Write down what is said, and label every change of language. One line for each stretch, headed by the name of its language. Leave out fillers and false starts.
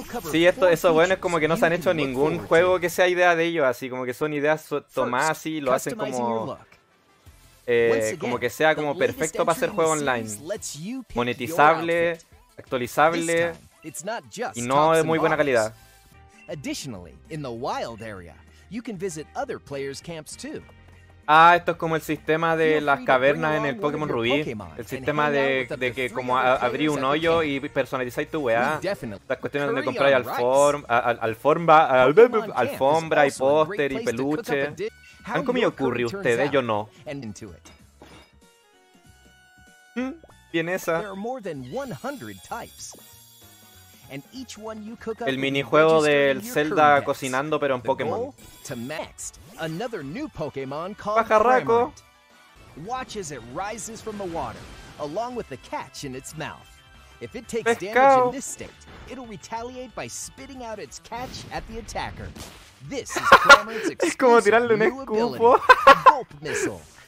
Spanish: Sí, eso bueno, es como que no se han hecho ningún juego que sea idea de ellos, así como que son ideas tomadas y lo hacen como como que sea como perfecto para hacer juego online, monetizable, actualizable y no de muy buena calidad.
English: Additionally, in the wild area, you can visit other players' camps too.
Spanish: Ah, esto es como el sistema de las cavernas en el Pokémon Rubí. El sistema de que como abrí un hoyo y personalizáis tu weá. Las cuestiones donde compráis alfombra y póster y peluche. ¿Han comido curry ustedes? Yo no. Bien esa. El minijuego del Zelda cocinando, pero en Pokémon.
English: Another new Pokemon called Pajarraco. Watch as it rises from the water, along with the catch in its mouth. If it takes damage in this state, it'll retaliate by spitting out its catch at the attacker. This is Kramer's exclusive Gulp missile.